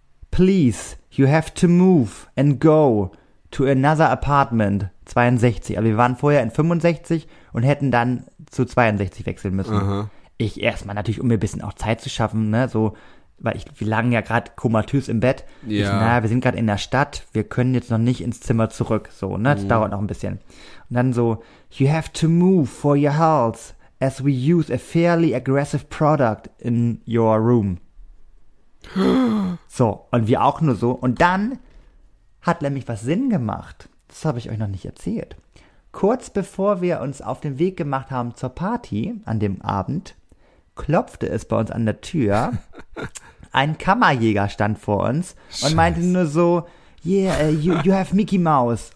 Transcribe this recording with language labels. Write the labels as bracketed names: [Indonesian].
[English] Please, you have to move and go to another apartment 62. [German] Also wir waren vorher in 65 und hätten dann zu 62 wechseln müssen. Aha. Ich erstmal natürlich, um mir ein bisschen auch Zeit zu schaffen, ne, so. Weil wir lagen ja gerade komatös im Bett. Ja. Wir sind gerade in der Stadt, wir können jetzt noch nicht ins Zimmer zurück. So, ne? Das dauert noch ein bisschen. Und dann so, [English] you have to move for your health, as we use a fairly aggressive product in your room. [German] So, und wir auch nur so. Und dann hat nämlich was Sinn gemacht. Das habe ich euch noch nicht erzählt. Kurz bevor wir uns auf den Weg gemacht haben zur Party an dem Abend, klopfte es bei uns an der Tür. Ein Kammerjäger stand vor uns und meinte nur so, [English] yeah, you have Mickey Mouse.